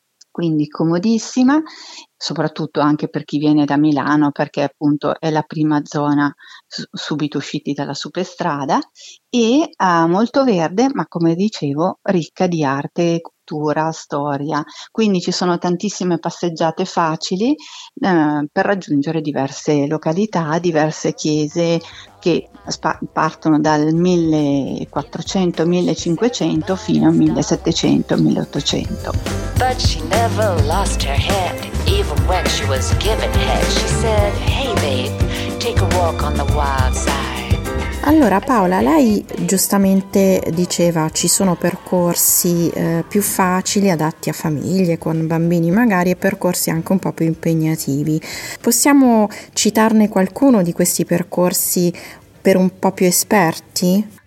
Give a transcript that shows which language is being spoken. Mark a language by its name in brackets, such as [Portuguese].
[Italian] Quindi comodissima, soprattutto anche per chi viene da Milano, perché appunto è la prima zona subito usciti dalla superstrada, e molto verde, ma come dicevo ricca di arte, cultura, storia. Quindi ci sono tantissime passeggiate facili per raggiungere diverse località, diverse chiese che partono dal 1400-1500 fino al 1700-1800. [English] But she never lost her head, even when she was given head. She said, hey babe, take a walk on the wild side. [Italian] Allora Paola, lei giustamente diceva ci sono percorsi più facili adatti a famiglie con bambini magari e percorsi anche un po' più impegnativi. Possiamo citarne qualcuno di questi percorsi per un po' più esperti?